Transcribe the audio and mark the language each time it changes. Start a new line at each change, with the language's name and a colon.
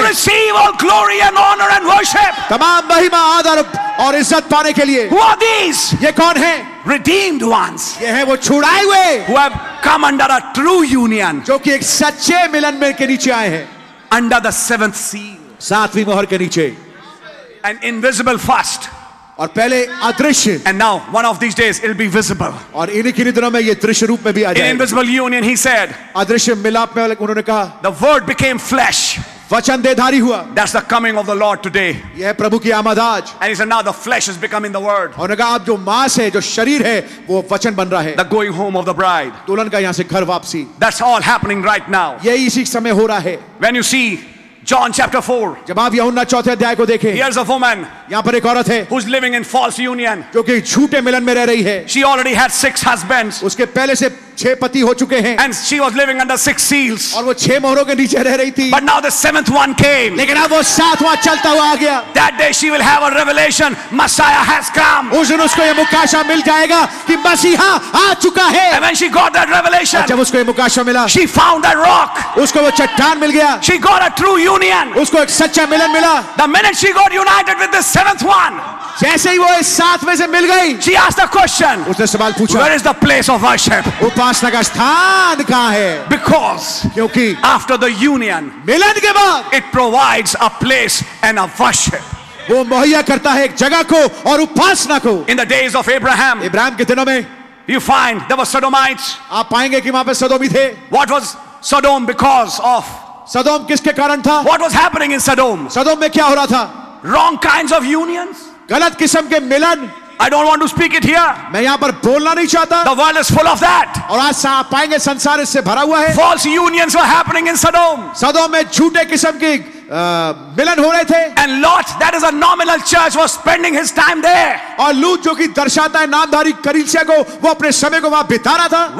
English: To receive all glory and honor and worship,
Hindi: तमाम महिमा आदर और इज्जत पाने के लिए.
English: Who are these?
Hindi: ये कौन है?
English: Redeemed ones.
Hindi: ये है वो छुड़ाए हुए.
English: Who have come under a true union,
Hindi: जो कि एक सच्चे मिलन में के नीचे आए हैं.
English: Under the seventh seal,
Hindi: सातवीं मोहर के नीचे,
English: an invisible first,
Hindi: और पहले अदृश्य,
English: and now one of these days it'll be visible,
Hindi: और इन्हीं किन्हीं दिनों में ये दृश्य रूप में भी आ जाएगा.
English: In invisible union, he said,
Hindi: अदृश्य मिलाप में उन्होंने कहा,
English: the word became flesh.
Hindi: वचन देहधारी हुआ.
English: That's the coming of the Lord today.
Hindi: यह प्रभु की आमद आज.
English: And he said, now the flesh is becoming the word.
Hindi: और ने कहा, अब जो मांस है, जो शरीर है, वो वचन बन रहा है.
English: The going home of the bride.
Hindi: दुल्हन का यहाँ से घर वापसी.
English: That's all happening right now.
Hindi: ये इसी समय हो रहा है.
English: When you see John chapter 4.
Hindi: जब आप यहूना चौथे अध्याय को देखें.
English: Here's a woman.
Hindi: यहाँ पर एक औरत है.
English: Who's living in false union.
Hindi: जो कि झूठे मिलन में रह रही है.
English: She already had 6 husbands.
Hindi: उसके पहले से छह पति हो चुके हैं.
English: And she was living under 6 seals.
Hindi: और वो छह मोहरों के नीचे रह रही थी.
English: But now the seventh one came.
Hindi: लेकिन अब वो सातवां चलता हुआ आ गया.
English: That day she will have a revelation. Messiah has come.
Hindi: उस दिन उसको ये मुकाशा मिल जाएगा कि मसीहा आ चुका है.
English: And when she got that revelation,
Hindi: जब उसको ये मुकाशा मिला,
English: she found that rock.
Hindi: उसको वो चट्टान मिल गया.
English: She got a true union.
Hindi: उसको एक सच्चा मिलन मिला.
English: The minute she got united with the seventh one.
Hindi: जैसे ही वो इस सातवें से मिल गई,
English: she asked a question.
Hindi: उसने सवाल पूछा,
English: where is the place of worship?
Hindi: उपासना का स्थान कहाँ है?
English: Because,
Hindi: क्योंकि,
English: after the union,
Hindi: मिलन के बाद,
English: it provides a place and a worship.
Hindi: वो मुहैया करता है एक जगह को और उपासना को.
English: in the days of Abraham,
Hindi: Abraham के दिनों में,
English: You find there was sodomites.
Hindi: आप पाएंगे कि वहां पे सदोमी थे.
English: What was Sodom because of?
Hindi: सदोम किसके कारण था?
English: What was happening in Sodom?
Hindi: सदोम में क्या हो रहा था?
English: wrong kinds of unions,
Hindi: गलत किस्म के मिलन.
English: I don't want to speak it here.
Hindi: मैं यहाँ पर बोलना नहीं चाहता.
English: The world is full of that.
Hindi: और आज आप पाएंगे संसार इससे भरा हुआ है.
English: False unions were happening in Sodom.
Hindi: सदोम में झूठे किस्म के मिलन हो रहे थे.
English: And Lot, that is a nominal church, was spending his time there.
Hindi: और लूत जो कि दर्शाता है नामधारी कलीसिया को, वो अपने समय को वहाँ बिता रहा था.